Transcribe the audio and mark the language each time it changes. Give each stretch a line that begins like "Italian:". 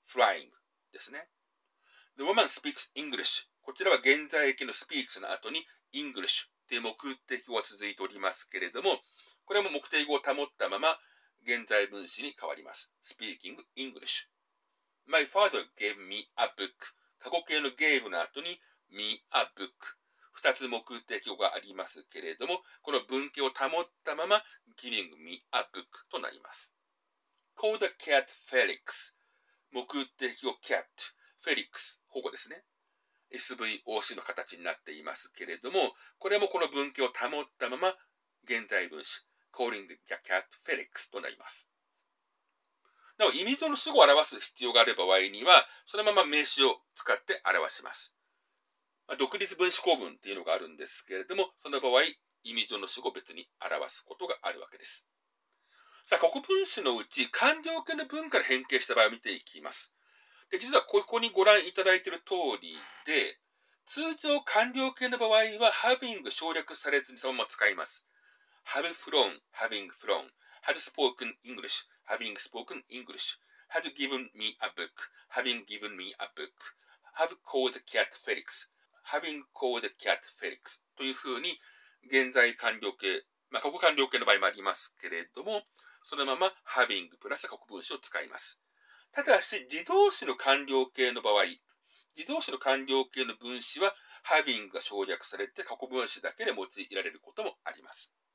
English: flying ですね。The woman speaks English。
Japanese: こちらは現在形の speaks の後に English という目的語は続いておりますけれども、これも目的語を保ったまま、現在分詞に変わります。
English: Speaking English. My father gave me a book.
Japanese: 過去形の gave の後に
English: me a book.
Japanese: 二つ目的語がありますけれども、この文型を保ったまま giving me a book となります。
English: Call the cat Felix. 目的語 cat.
Japanese: Felix 保護ですね。SVOC の形になっていますけれども、これもこの文型を保ったまま現在分詞。
English: Calling the cat Felix
Japanese: となります。なお、意味上の主語を表す必要がある場合には、そのまま名詞を使って表します。独立分詞構文っていうのがあるんですけれども、その場合、意味上の主語を別に表すことがあるわけです。さあ、過去分詞のうち、完了形の文から変形した場合を見ていきます。で、実はここにご覧いただいている通りで、通常完了形の場合は、having 省略されずにそのまま使います。
English: Have flown, having flown. Had spoken English, having spoken English. Had given me a book, having given me a book. Have called the cat Felix, having called the cat Felix.
Japanese: というふうに、現在完了形、まあ、過去完了形の場合もありますけれども、そのまま having プラス過去分詞を使います。ただし、自動詞の完了形の場合、自動詞の完了形の分詞は、having が省略されて過去分詞だけで用いられることもあります。